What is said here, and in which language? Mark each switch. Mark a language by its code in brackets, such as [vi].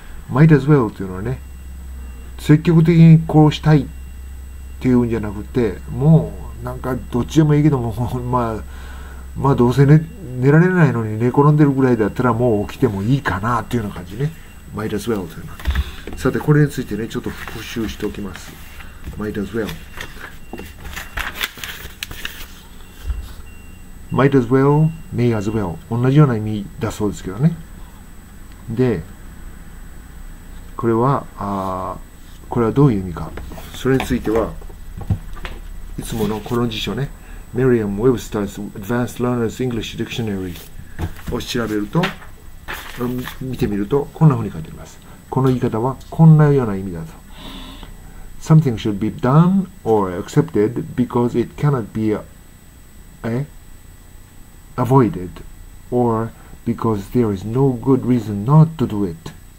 [en] Might as well [ja] というのはね、積極的にこうしたいっていうんじゃなくて、もうなんかどっちでもいいけども、まあどうせ、ね、寝られないのに寝転んでるぐらいだったらもう起きてもいいかなというような感じね。 [en] Might as well [ja] というのは、さてこれについてねちょっと復習しておきます。 [en] Might as well Might as well, may as well. [ja] 同じような意味だそうですけどね。で、これは、これはどういう意味か。それについては、いつものこの辞書ね、Merriam-Webster's Advanced Learner's English Dictionary を調べると、見てみると、こんな風に書いてあります。この言い方は、こんなような意味だと。 [en] Something should be done or accepted because it cannot be avoided or because there is no good reason not to do it.